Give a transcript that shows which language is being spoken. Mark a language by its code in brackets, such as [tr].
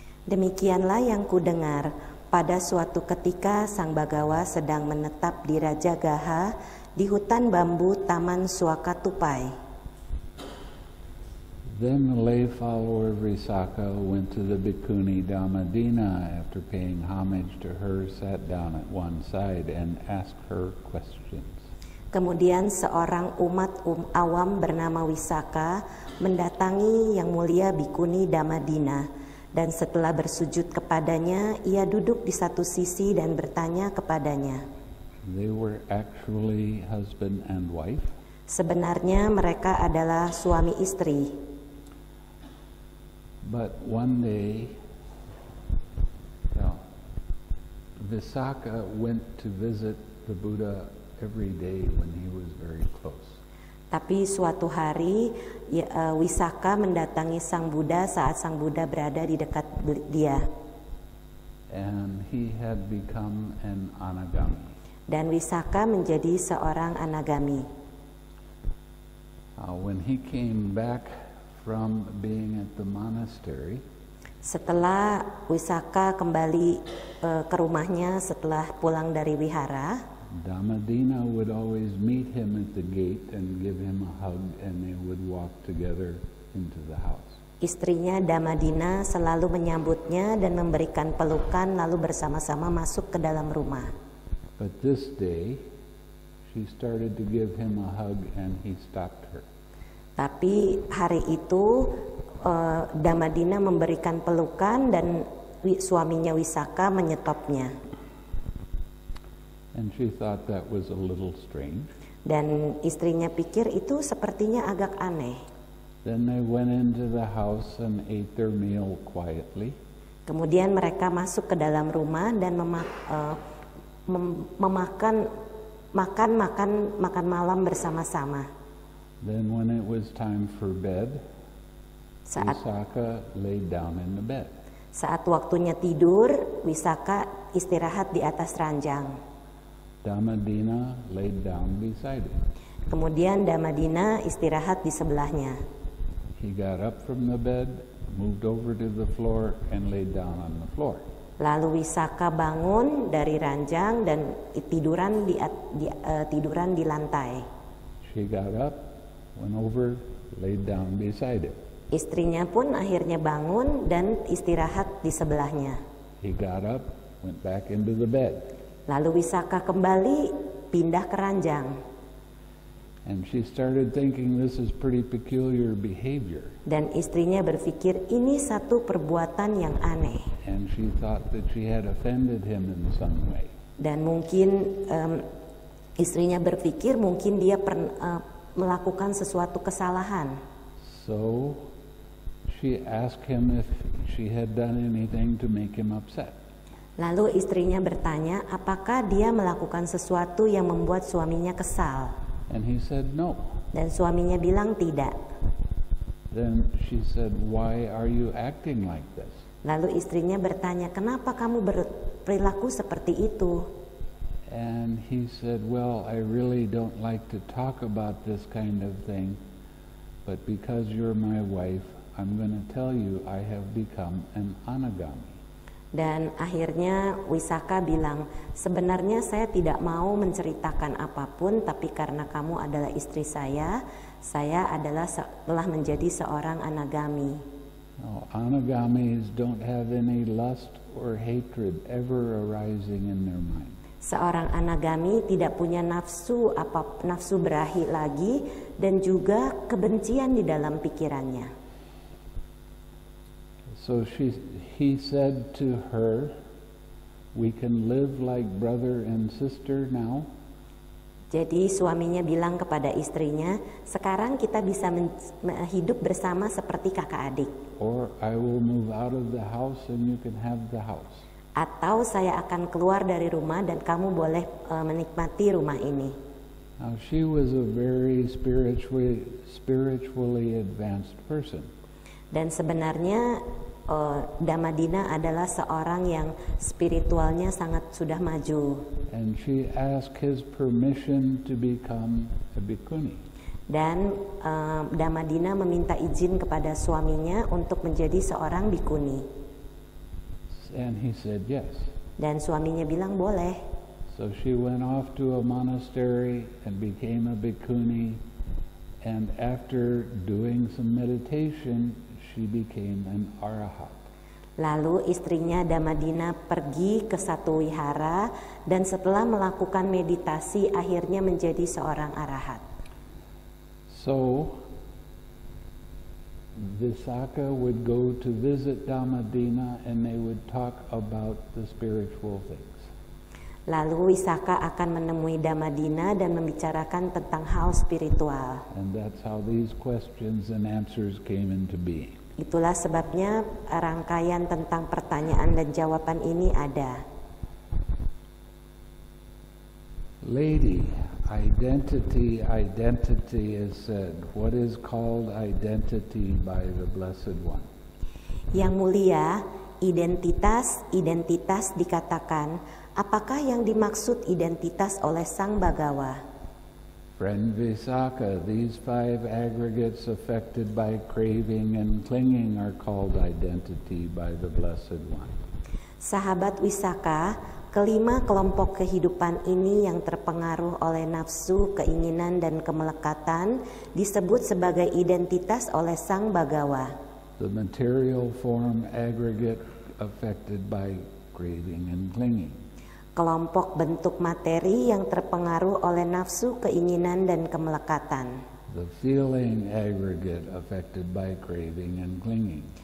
[id] Demikianlah yang kudengar, pada suatu ketika Sang Bhagawa sedang menetap di Rajagaha di hutan bambu Taman Suaka Tupai. [en] Then the lay follower Risaka went to the bhikkhuni Dhammadina after paying homage to her, sat down at one side and asked her questions. [id] Kemudian seorang umat awam bernama Wisaka mendatangi Yang Mulia Bhikkhuni Dhammadina, dan setelah bersujud kepadanya, ia duduk di satu sisi dan bertanya kepadanya. [en] They were actually husband and wife. [id] Sebenarnya mereka adalah suami istri. [en] But one day, Visakha went to visit the Buddha every day when he was very close. [id] Tapi suatu hari, Visakha mendatangi Sang Buddha saat Sang Buddha berada di dekat dia. [en] And he had become an anagami. [id] Dan Visakha menjadi seorang anagami. [en] When he came back from being at the monastery, [id] setelah Visakha kembali ke rumahnya setelah pulang dari wihara, [en] Dhammadina would always meet him at the gate and give him a hug, and they would walk together into the house. [id] Istrinya Dhammadina selalu menyambutnya dan memberikan pelukan, lalu bersama-sama masuk ke dalam rumah. [en] But this day, she started to give him a hug and he stopped her. [id] Tapi hari itu Dhammadina memberikan pelukan dan suaminya Visakha menyetopnya. [en] And she thought that was a little strange. [id] Dan istrinya pikir itu sepertinya agak aneh. [en] Then they went into the house and ate their meal quietly. [id] Kemudian mereka masuk ke dalam rumah dan makan malam bersama-sama. [en] Then when it was time for bed, Visakha laid down in the bed. [id] Saat waktunya tidur, Visakha istirahat di atas ranjang. [en] Dhammadina laid down beside him. [id] Kemudian Dhammadina istirahat di sebelahnya. [en] He got up from the bed, moved over to the floor, and laid down on the floor. [id] Lalu Visakha bangun dari ranjang dan tiduran di lantai. [en] She got up, went over, laid down beside him. [id] Istrinya pun akhirnya bangun dan istirahat di sebelahnya. [en] He got up, went back into the bed. [id] Lalu Visakha kembali pindah ke ranjang. [en] And she started thinking this is pretty peculiar behavior. [id] Dan istrinya berpikir ini satu perbuatan yang aneh. [en] And she thought that she had offended him in some way. [id] Dan mungkin istrinya berpikir mungkin dia melakukan sesuatu kesalahan. [en] So she asked him if she had done anything to make him upset. [id] Lalu istrinya bertanya apakah dia melakukan sesuatu yang membuat suaminya kesal. [en] And he said no. [id] Dan suaminya bilang tidak. [en] Then she said, why are you acting like this? [id] Lalu istrinya bertanya kenapa kamu berperilaku seperti itu. [en] And he said, well, I really don't like to talk about this kind of thing, but because you're my wife, I'm going to tell you I have become an anagami. [id] Dan akhirnya Visakha bilang, sebenarnya saya tidak mau menceritakan apapun, tapi karena kamu adalah istri saya adalah telah menjadi seorang anagami. [en] No, anagamis don't have any lust or hatred ever arising in their mind. [id] Seorang anagami tidak punya nafsu berahi lagi dan juga kebencian di dalam pikirannya. [en] So he said to her, "We can live like brother and sister now." [id] Jadi suaminya bilang kepada istrinya, "Sekarang kita bisa hidup bersama seperti kakak adik." [en] Or I will move out of the house and you can have the house. [id] Atau saya akan keluar dari rumah dan kamu boleh menikmati rumah ini. [en] Now she was a very spiritually advanced person. [id] Dan sebenarnya Damadina adalah seorang yang spiritualnya sangat sudah maju. [en] And she asked his permission to become a bhikkhuni. [id] Dan Damadina meminta izin kepada suaminya untuk menjadi seorang bhikkhuni. [en] And he said yes. [id] Dan suaminya bilang boleh. [en] So she went off to a monastery and became a bhikkhuni. And after doing some meditation, she became an arahat. [id] Lalu istrinya Damadina pergi ke satu wihara dan setelah melakukan meditasi akhirnya menjadi seorang arahat. [en] So Visakha would go to visit Damadina and they would talk about the spiritual things. [id] Lalu Visakha akan menemui Damadina dan membicarakan tentang hal spiritual. [en] And that's how these questions and answers came into being. [id] Itulah sebabnya rangkaian tentang pertanyaan dan jawaban ini ada. [en] Lady, identity, identity is said. What is called identity by the Blessed One? [id] Yang mulia, identitas, identitas dikatakan. Apakah yang dimaksud identitas oleh Sang Bhagawa? [en] Friend Visakha, these five aggregates affected by craving and clinging are called identity by the Blessed One. [id] Sahabat Visakha, kelima kelompok kehidupan ini yang terpengaruh oleh nafsu, keinginan, dan kemelekatan disebut sebagai identitas oleh Sang Bhagawa. [en] The material form aggregate affected by craving and clinging. [id] Kelompok bentuk materi yang terpengaruh oleh nafsu, keinginan, dan kemelekatan. [en] The feeling aggregate affected by craving and clinging.